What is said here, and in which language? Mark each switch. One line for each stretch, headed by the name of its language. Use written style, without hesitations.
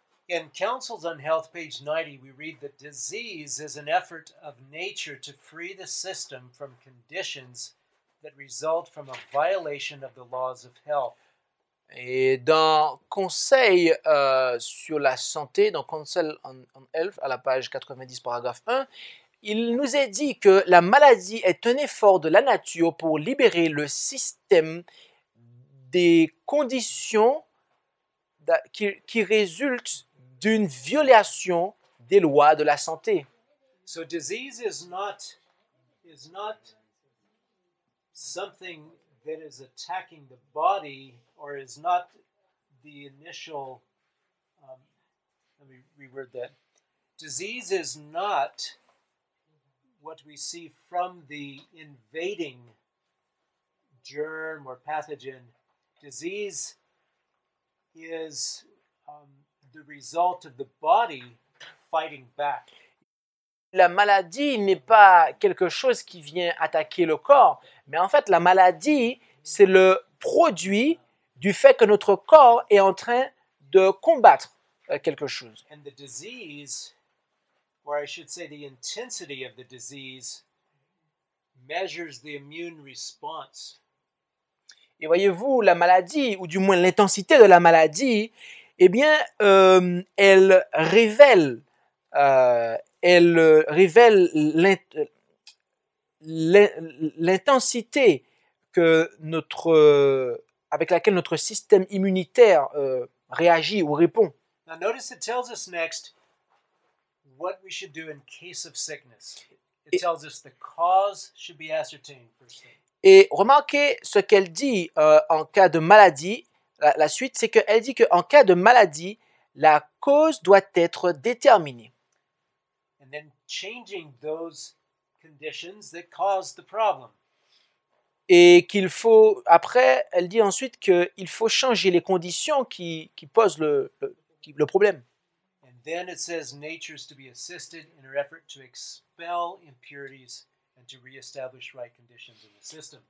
English: In Councils on Health, page 90, we read that disease is an effort of nature to free the system from conditions that result from a violation of the laws of health.
French: Et dans Conseil sur la santé, dans Council on Health, à la page 90, paragraphe 1, il nous est dit que la maladie est un effort de la nature pour libérer le système des conditions qui résultent d'une violation des lois de la santé.
English: So disease is not something that is attacking the body or is not the initial let me reword that. Disease is not what we see from the invading germ or pathogen. Disease is the result of the body fighting back.
French: La maladie n'est pas quelque chose qui vient attaquer le corps, mais en fait, la maladie, c'est le produit du fait que notre corps est en train de combattre quelque chose.
English: And the disease, or I should say the intensity of the disease, measures the immune response.
French: Et voyez-vous, la maladie, ou du moins l'intensité de la maladie, eh bien, elle révèle l'intensité que avec laquelle notre système immunitaire réagit ou répond.
English: Now notice it tells us next what we should do in case of sickness. It tells us the cause should be ascertained first.
French: Et remarquez ce qu'elle dit en cas de maladie. La suite, c'est qu'elle dit qu'en cas de maladie, la cause doit être déterminée.
English: And then changing those conditions that cause the problem.
French: Et qu'il faut, après, elle dit ensuite qu'il faut changer les conditions qui posent le problème.
English: And then it says nature is to be assisted in her effort to expel impurities. To re-establish right conditions in the system.